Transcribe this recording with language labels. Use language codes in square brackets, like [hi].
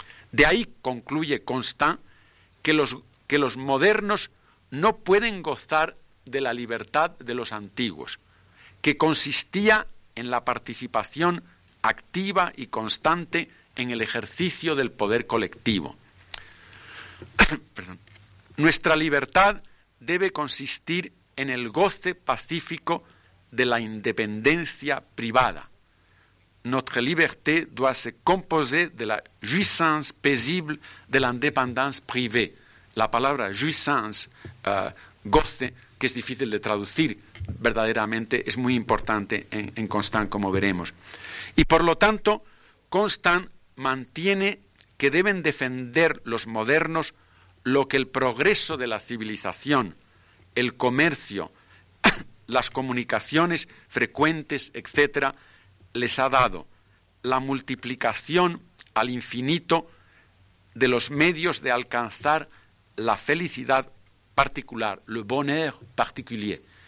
[es] De ahí concluye Constant que los modernos no pueden gozar de la libertad de los antiguos, que consistía en la participación activa y constante en el ejercicio del poder colectivo. Perdón. Nuestra libertad debe consistir en el goce pacífico de la independencia privada. [fr] Notre liberté doit se composer de la jouissance paisible de l'indépendance privée. [es] La palabra jouissance, goce, que es difícil de traducir verdaderamente, es muy importante en Constant, como veremos. Y por lo tanto, Constant mantiene que deben defender los modernos lo que el progreso de la civilización, el comercio, las comunicaciones frecuentes, etcétera, les ha dado, la multiplicación al infinito de los medios de alcanzar la felicidad particular, [fr] le bonheur particulier.